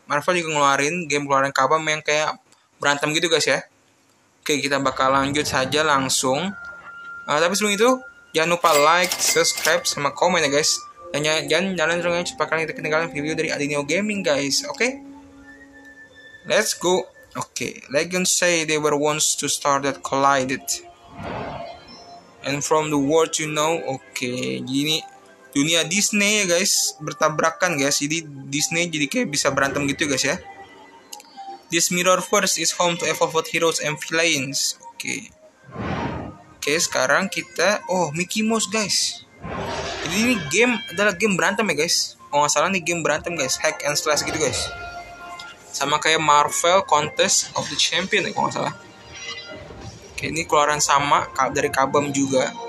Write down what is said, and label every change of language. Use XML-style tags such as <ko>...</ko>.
<id>Marvel juga ngeluarin game keluaran Kabam yang kayak berantem gitu guys ya. Oke, kita bakal lanjut saja langsung. Tapi sebelum itu, jangan lupa like, subscribe, sama komen ya guys. Dan jangan nyalain loncengnya supaya kalian tidak ketinggalan video dari Adinio Gaming guys.</id> <en>Oke, okay? Let's go. Oke, okay. Legends say they were once two stars that collided. And from the world you know, oke, okay.</en> <id>Gini, dunia Disney ya guys, bertabrakan guys. Jadi Disney jadi kayak bisa berantem gitu guys ya.</id> <en>This Mirrorverse is home to evolved heroes and villains.</en> <id>Okay. Okay, sekarang kita, oh, Mickey Mouse guys. Jadi ini game adalah game berantem ya guys. Oh, nggak salah nih game berantem guys, hack and slash gitu guys. Sama kayak Marvel Contest of the Champion ya, kalau nggak salah. Okay, ini keluaran sama dari Kabam juga.</id>